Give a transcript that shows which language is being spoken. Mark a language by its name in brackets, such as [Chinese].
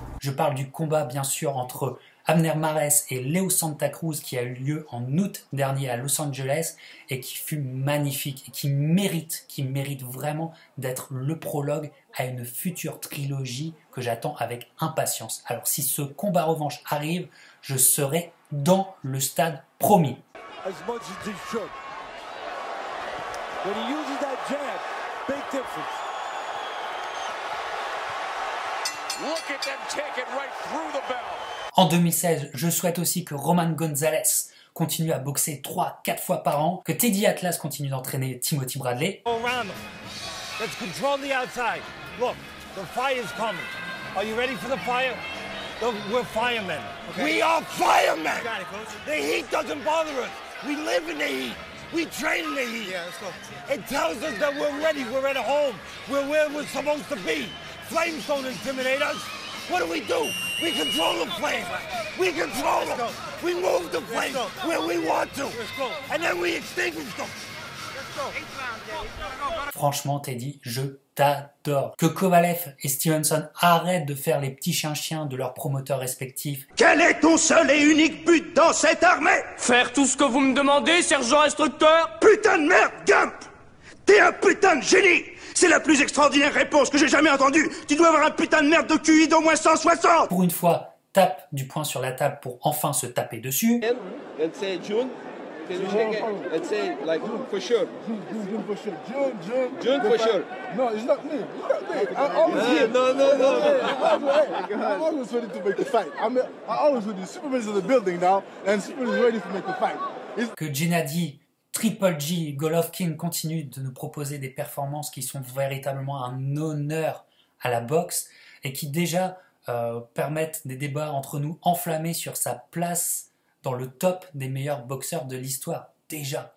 [French] Je parle du combat, bien sûr, entre Abner Mares et Leo Santa Cruz qui a eu lieu en août dernier à Los Angeles et qui fut magnifique et qui mérite vraiment d'être le prologue à une future trilogie que j'attends avec impatience. Alors si ce combat revanche arrive, je serai dans le stade promis. [English] As much as he should. When he uses that jab, big difference. Look at them take it right through the bell. [French] En 2016, je souhaite aussi que Roman Gonzalez continue à boxer 3-4 fois par an, que Teddy Atlas continue d'entraîner Timothy Bradley. [English] Oh, Rama, let's control the outside. Look, the fire's coming. Are you ready for the fire? We're firemen. Okay. We are firemen! Got it, coach. The heat doesn't bother us. We live in the heat. We train in the heat. Yeah, let's go. It tells us that we're ready, we're at home. We're where we're supposed to be. Flames don't intimidate us. What do we do? We control the flames. We control them. We move the flames where we want to. And then we extinguish them. [French] Franchement, Teddy, je t'adore. Que Kovalev et Stevenson arrêtent de faire les petits chiens-chiens de leurs promoteurs respectifs. Quel est ton seul et unique but dans cette armée ? Faire tout ce que vous me demandez, sergent instructeur ? Putain de merde, Gump ! T'es un putain de génie ! C'est la plus extraordinaire réponse que j'ai jamais entendue ! Tu dois avoir un putain de merde de QI d'au moins 160 ! Pour une fois, tape du poing sur la table pour enfin se taper dessus. [English] And say June. Let's say, like, June for sure. June for sure. June. June for sure. No, it's not me. It's not me. I always No, no, no. I'm always ready to make a fight. I'm always with you. Superman's in the building now, and Superman's ready to make a fight. [French] Que Gennady, Triple G, Golovkin continue de nous proposer des performances qui sont véritablement un honneur à la boxe et qui déjà permettent des débats entre nous enflammés sur sa place dans le top des meilleurs boxeurs de l'histoire, déjà.